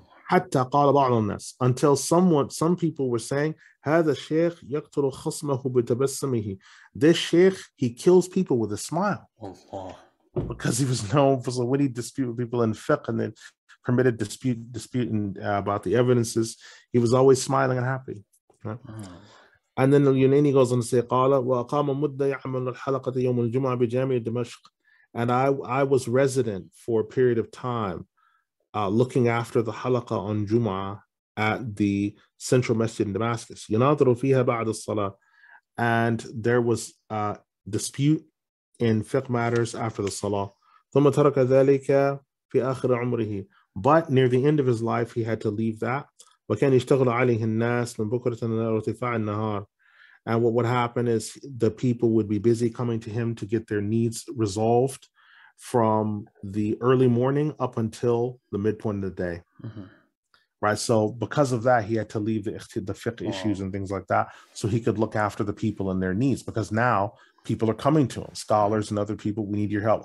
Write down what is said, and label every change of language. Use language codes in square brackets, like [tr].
[ar] حَتَّى قَالَ بَعْضُ النَّاسِ [en] until some people were saying, [ar] هَذَا الشَّيْخ يَقْتُلُ خَصْمَهُ بِتَبَسَّمِهِ [en] this sheikh, he kills people with a smile. Allah. because he was known for some witty dispute with people in fiqh, and then permitted dispute in, about the evidences. He was always smiling and happy. And then Al-Yunaini goes on to say, [ar] قال وأقام مدة يعمل الحلقة يوم الجمعة بجامع دمشق. [en] And I was resident for a period of time, looking after the halaqa on Jum'ah at the central masjid in Damascus. [ar] يناظر فيها بعد الصلاة. [en] And there was a dispute in fiqh matters after the salah. [ar] ثم ترك ذلك في آخر عمره. [en] But near the end of his life, he had to leave that. [ar] وكان يشتغل عليه الناس من بكرة وارتفاع النهار. [en] And what would happen is the people would be busy coming to him to get their needs resolved from the early morning up until the midpoint of the day. Mm-hmm. Right. So because of that, he had to leave the fiqh issues and things like that so he could look after the people and their needs, because now people are coming to him, scholars and other people. We need your help.